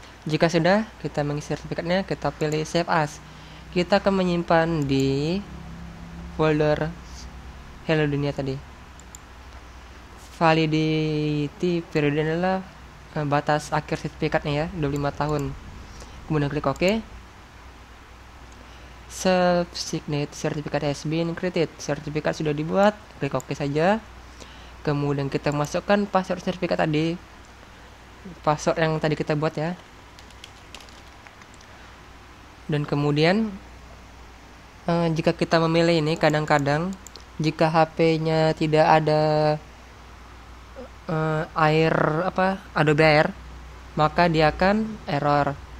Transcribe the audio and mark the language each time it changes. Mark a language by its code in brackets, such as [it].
[id] Jika sudah kita mengisi sertifikatnya, kita pilih save as. Kita akan menyimpan di folder Hello Dunia tadi. Validity period adalah batas akhir sertifikatnya ya, 25 tahun. Kemudian klik OK. [en] Self-signate sertifikat has been created. [id] Sertifikat sudah dibuat. Klik OK saja. Kemudian kita masukkan password sertifikat tadi. Password yang tadi kita buat ya. Dan kemudian jika kita memilih ini, kadang-kadang jika HP-nya tidak ada air apa Adobe Air, maka dia akan error.